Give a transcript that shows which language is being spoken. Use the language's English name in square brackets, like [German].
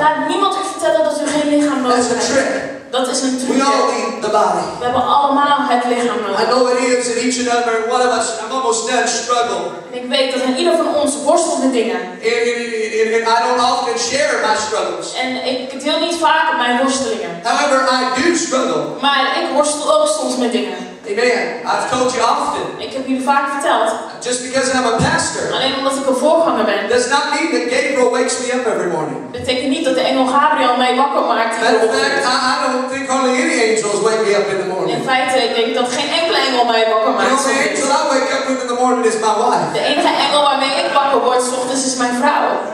[Dutch] Laat niemand u vertellen dat u geen lichaam nodig hebt. [English] That's a trick. [Dutch] Dat is een trucje. [English] We all need the body. [Dutch] We hebben allemaal het lichaam nodig. [English] I know it is in each and every one of us. I'm almost done struggle. [Dutch] En ik weet dat in ieder van ons worstelt met dingen. [English] And I don't often share my struggles. [Dutch] En ik deel niet vaak mijn worstelingen. [English] However, I do struggle. [Dutch] Maar ik worstel ook soms met dingen. [English] Amen. I've told you often. [Dutch] Ik heb jullie vaak verteld. [English] Just because I'm a pastor. [Dutch] Alleen omdat ik een voorganger ben. [English] Does not mean that Gabriel wakes me up every morning. [Dutch] Betekent niet dat de engel Gabriel mij wakker maakt. [English] In fact, I don't think only any angels wake me up in the morning. [Dutch] In feite, ik denk dat geen enkele engel mij wakker maakt. [English] The only angel I wake up with in the morning is my wife. [Dutch] De enige engel waarmee ik wakker word 's ochtends is mijn vrouw.